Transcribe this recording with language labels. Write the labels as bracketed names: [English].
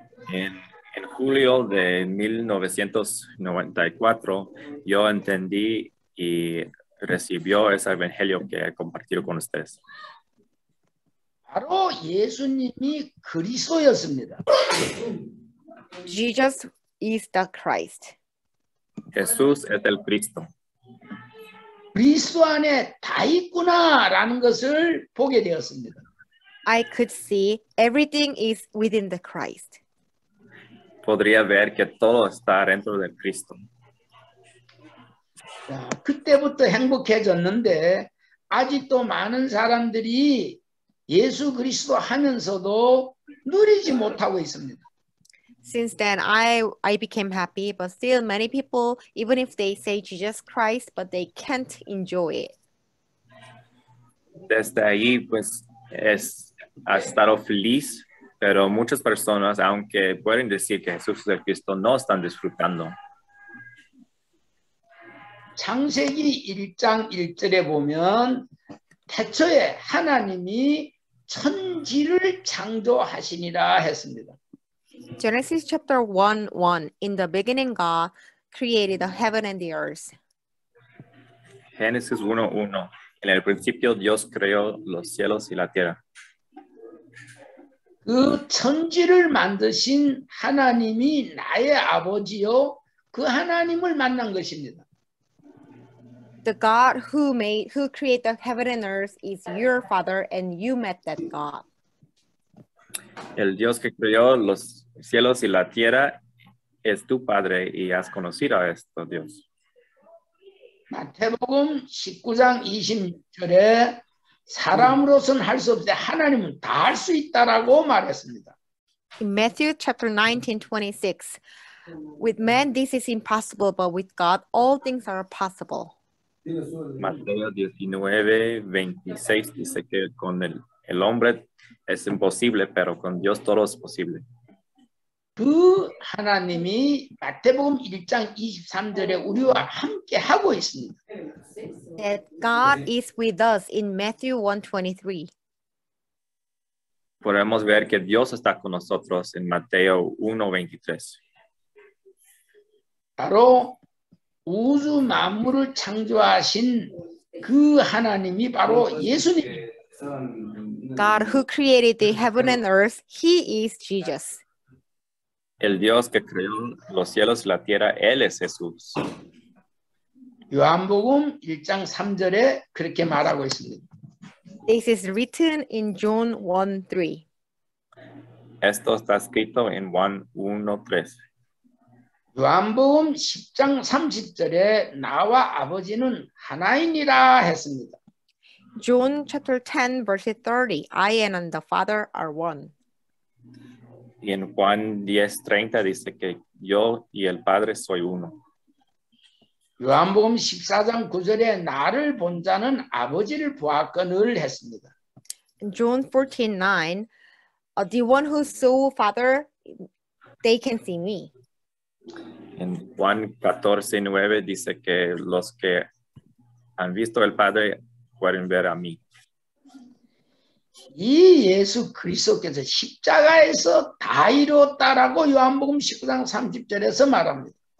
[Spanish] En julio de 1994, yo entendí y recibió ese evangelio que he compartido con ustedes. [Korean] 바로 예수님이 그리스도였습니다. [English] Jesus is the Christ. [Spanish] Jesús es el Cristo. [Korean] 그리스도 안에 다 있구나 라는 것을 보게 되었습니다. [English] I could see everything is within the Christ. [Spanish] Podría ver que todo está dentro del Cristo. [Korean] 자, 그때부터 행복해졌는데 아직도 많은 사람들이 예수 그리스도 하면서도 누리지 못하고 있습니다. [English] Since then, I became happy, but still many people, even if they say Jesus Christ, but they can't enjoy it. [Spanish] Desde ahí, pues, ha estado feliz, pero muchas personas, aunque pueden decir que Jesús es el Cristo, no están disfrutando. [Korean] 창세기 1장 1절에 보면, 태초에 하나님이 천지를 창조하시니라 했습니다. [English] Genesis chapter 1:1. In the beginning, God created the heaven and the earth. Genesis 1:1. [Spanish] En el principio, Dios creó los cielos y la tierra. [Korean] 그 천지를 만드신 하나님이 나의 아버지요. 그 하나님을 만난 것입니다. [English] The God who created the heaven and earth is your father, and you met that God. [Spanish] El Dios que creó los cielos y la tierra es tu padre y has conocido a este Dios. [Korean] Mateo 19장 20절에 사람으로서는 할 수 없는데 하나님은 다 할 수 있다라고 말했습니다. [English] In Matthew chapter 19:26, with man this is impossible, but with God all things are possible. [Spanish] Mateo 19:26 dice que con el hombre es imposible, pero con Dios todo es posible. [Korean] 그 하나님이 마태복음 1장 23절에 우리와 함께 하고 있습니다. [English] That God is with us in Matthew 1:23. [Spanish] Podemos ver que Dios está con nosotros en Mateo 1:23. [Korean] 바로 우주 만물을 창조하신 그 하나님이 바로 예수님. [English] God who created the heaven and earth, he is Jesus. [Spanish] El Dios que creó los cielos y la tierra, él es Jesús. [Korean] 요한복음 1장 3절에 그렇게 말하고 있습니다. [English] This is written in John 1:3. [Spanish] Esto está escrito en Juan 1:3. [Korean] 요한복음 10장 30절에 나와 아버지는 하나이니라 했습니다. [English] John chapter 10 verse 30, I and the Father are one. [Spanish] Y en Juan 10:30 dice que yo y el Padre soy uno. [Korean] 요한복음 14장 9절에 나를 본 자는 아버지를 보았거늘 했습니다. [English] John 14:9, the one who saw Father, they can see me. [Spanish] En Juan 14:9 dice que los que han visto al Padre pueden ver a mí. [Korean] 이 예수 그리스도께서 십자가에서 다 이루었다라고 요한복음 19장 30절에서 말합니다.